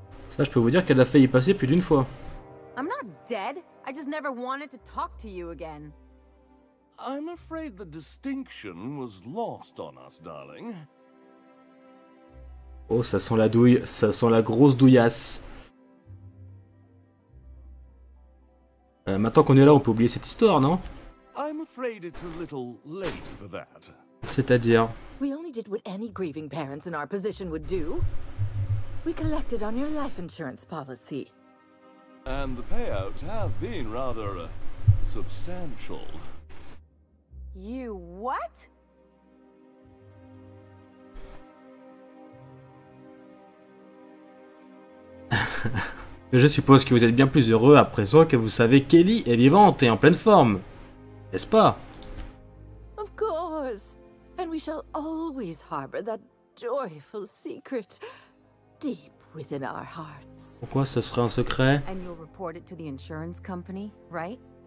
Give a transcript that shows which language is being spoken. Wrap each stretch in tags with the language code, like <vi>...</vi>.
<fr>Ça, je peux vous dire qu'elle a failli y passer plus d'une fois.</fr> <en>I'm not dead, I just never wanted to talk to you again. I'm afraid the distinction was lost on us, darling.</en> <fr>Oh, ça sent la douille, ça sent la grosse douillasse. Maintenant qu'on est là, on peut oublier cette histoire, non?</fr> <en>I'm afraid it's a little late for that.</en> <fr>C'est-à-dire?</fr> <en>We only did what any grieving parents in our position would do. We collected on your life insurance policy. And the payouts have been rather substantial. You what?</en> <fr>Je suppose que vous êtes bien plus heureux à présent que vous savez qu'Ellie est vivante et en pleine forme, n'est-ce pas?</fr> <en>Of course, and we shall always harbor that joyful secret deep within our hearts.</en> <fr>Pourquoi ce serait un secret?</fr> <en>And you'll report it to the insurance company, right?</en>